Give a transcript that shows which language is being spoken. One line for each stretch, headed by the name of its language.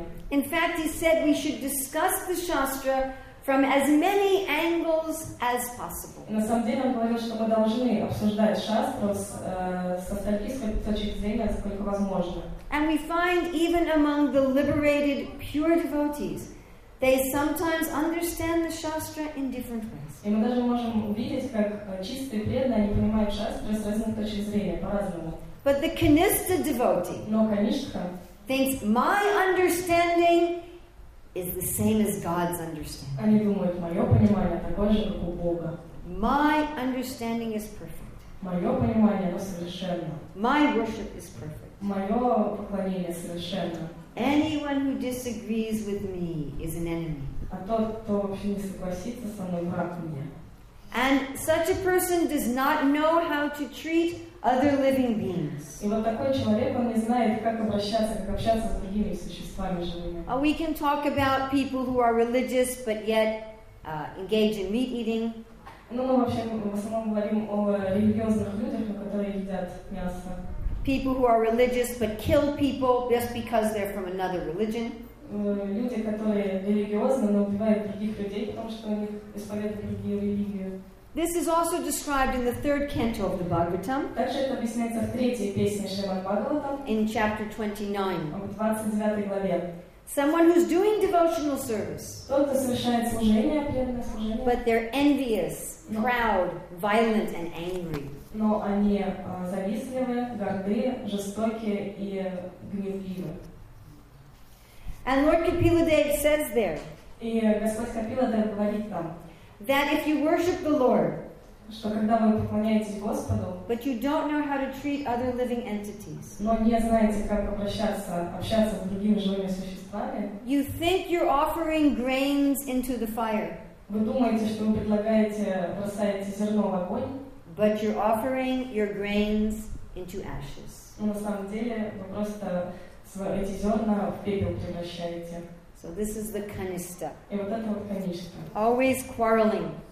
English: In fact, he said we should discuss the Shastra from as many angles as possible.
Russian: На самом деле он говорил, что мы должны обсуждать шастру со стольких точек зрения, сколько возможно.
English: And we find even among the liberated pure devotees, they sometimes understand the Shastra in different ways.
Russian: И мы даже можем увидеть, как чистые преданные, они понимают шастру с разных точек зрения, по-разному.
English: But the Kanishtha devotee,
Russian: но Канишха,
English: thinks my understanding is the same as God's understanding.
Russian: Они думают, мое понимание такое же, как у Бога.
English: My understanding is perfect.
Russian: Мое понимание, оно совершенно.
English: My worship is perfect.
Russian: Мое поклонение совершенно.
English: Anyone who disagrees with me is an enemy.
Russian: А тот, кто вообще не согласится со мной, враг мне.
English: And such a person does not know how to treat other living beings.
Russian: И вот такой человек, он не знает, как общаться с другими существами живыми.
English: We can talk about people who are religious but yet engage in meat eating.
Russian: Ну, мы вообще в основном говорим о религиозных людях, которые едят мясо.
English: People who are religious but kill people just because they're from another religion.
Russian: Люди, которые религиозны, но убивают других людей, потому что они исповедуют другие религии.
English: This is also described in the third canto of the Bhagavatam.
Russian: Также это объясняется в третьей песне Шримад-Бхагаватам.
English: In chapter 29.
Russian: В 29 главе.
English: Someone who's doing devotional service.
Russian: Кто-то совершает служение, преданное служение.
English: But they're envious, proud, violent, and angry.
Russian: Но они завистливые, горды, жестокие и гневливые.
English: And Lord Kapiladev says there.
Russian: И Господь Капиладев говорит там.
English: That if you worship the Lord,
Russian: что когда вы поклоняетесь Господу,
English: but you don't know how to treat other living entities,
Russian: но не знаете, как общаться с другими живыми существами,
English: you think you're offering grains into the fire.
Russian: Вы думаете, что вы предлагаете, бросаете зерно в огонь,
English: but you're offering your grains into ashes.
Russian: Но на самом деле вы просто эти зерна в пепел превращаете.
English: So this is the Kanishtha.
Russian: И вот это вот Kanishtha.
English: Always quarreling.